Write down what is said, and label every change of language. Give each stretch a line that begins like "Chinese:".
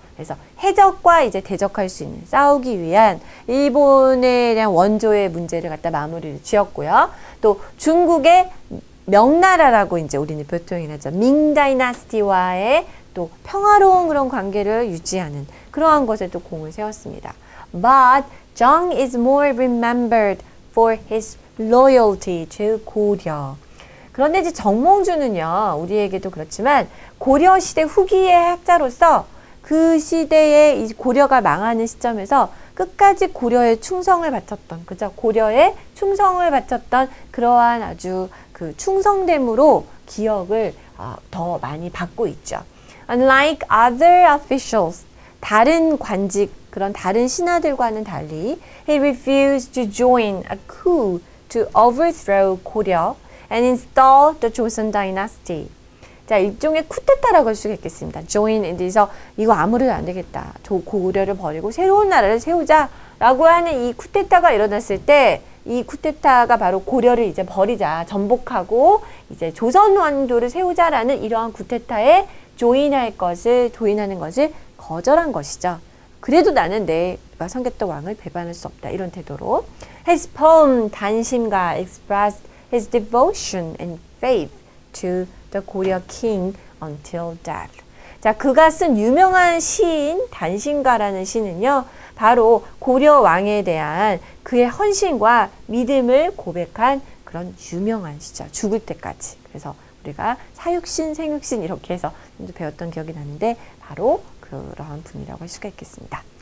Korean: 그래서 해적과 이제 대적할 수 있는 싸우기 위한 일본에 대한 원조의 문제를 갖다 마무리를 지었고요. 또 중국의 명나라라고 이제 우리는 표현하죠. 밍 다이나스티와의 또 평화로운 그런 관계를 유지하는 그러한 것에 또 공을 세웠습니다.
English: But Zheng is more remembered for his loyalty to 고려.
Korean: 그런데 이제 정몽주는요, 우리에게도 그렇지만 고려 시대 후기의 학자로서 그 시대에 이 고려가 망하는 시점에서 끝까지 고려에 충성을 바쳤던, 그죠? 고려에 충성을 바쳤던 그러한 아주 그 충성됨으로 기억을 더 많이 받고 있죠.
English: Unlike other officials,
Korean: 다른 관직, 그런 다른 신하들과는 달리
English: he refused to join a coup to overthrow 고려 and install the Joseon dynasty.
Korean: 자, 일종의 쿠데타라고 할 수 있겠습니다. Join 인데서 이거 아무래도 안 되겠다. 저 고려를 버리고 새로운 나라를 세우자라고 하는 이 쿠데타가 일어났을 때 이 쿠데타가 바로 고려를 이제 버리자, 전복하고 이제 조선 원조를 세우자라는 이러한 쿠데타에 조인하는 것을 거절한 것이죠. 그래도 나는 내가 섬겼던 왕을 배반할 수 없다. 이런 태도로
English: his poem 단심가 expressed his devotion and faith to the Korea king until death.
Korean: 자, 그가 쓴 유명한 시인 단심가라는 시는요. 바로 고려 왕에 대한 그의 헌신과 믿음을 고백한 그런 유명한 시죠. 죽을 때까지. 그래서 우리가 사육신, 생육신 이렇게 해서 배웠던 기억이 나는데 바로 그러한 분이라고 할 수가 있겠습니다.